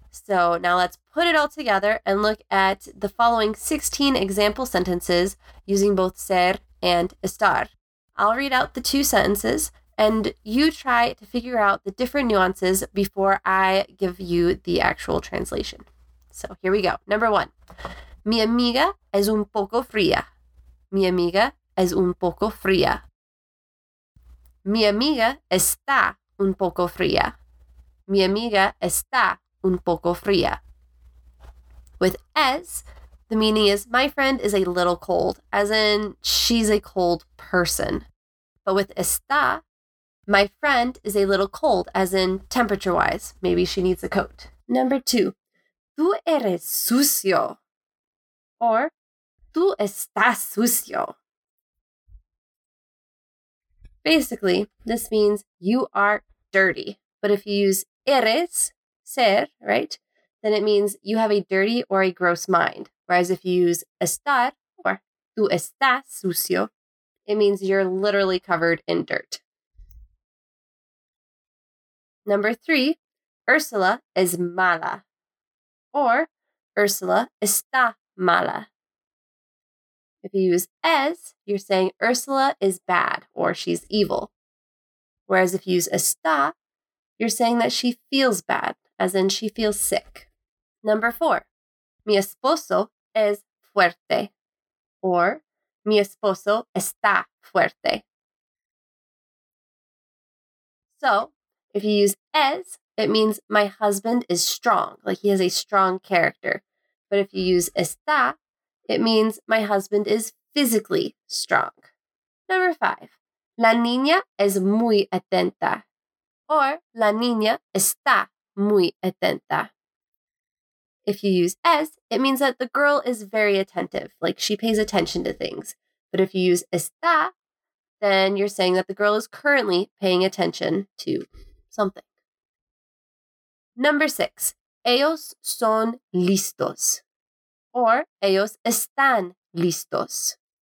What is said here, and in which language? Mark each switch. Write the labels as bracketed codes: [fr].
[en] So now let's put it all together and look at the following 16 example sentences using both ser and estar. I'll read out the two sentences and you try to figure out the different nuances before I give you the actual translation. So here we go. Number one, [es] mi amiga es un poco fría. Mi amiga es un poco fría. Mi amiga está un poco fría. Mi amiga está un poco fría. [en] With es, the meaning is my friend is a little cold, as in she's a cold person. But with está, my friend is a little cold, as in temperature-wise, maybe she needs a coat. Number two, [es] tú eres sucio, [en] or [es] tú estás sucio. [en] Basically, this means you are dirty, but if you use eres, ser, right, then it means you have a dirty or a gross mind. Whereas if you use estar, or [es] tú estás sucio, [en] it means you're literally covered in dirt. Number three, [es] Ursula es mala, [en] or [es] Ursula está mala. [en] If you use es, you're saying Ursula is bad, or she's evil. Whereas if you use está, you're saying that she feels bad, as in she feels sick. Number four, [es] mi esposo es fuerte, [en] or [es] mi esposo está fuerte. [en] So, if you use es, it means my husband is strong, like he has a strong character. But if you use está, it means my husband is physically strong. Number five, [es] la niña es muy atenta, [en] or [es] la niña está muy atenta. [en] If you use es, it means that the girl is very attentive, like she pays attention to things. But if you use está, then you're saying that the girl is currently paying attention to something. Number 6. [es] Ellos son listos. [en] Or [es] ellos están listos.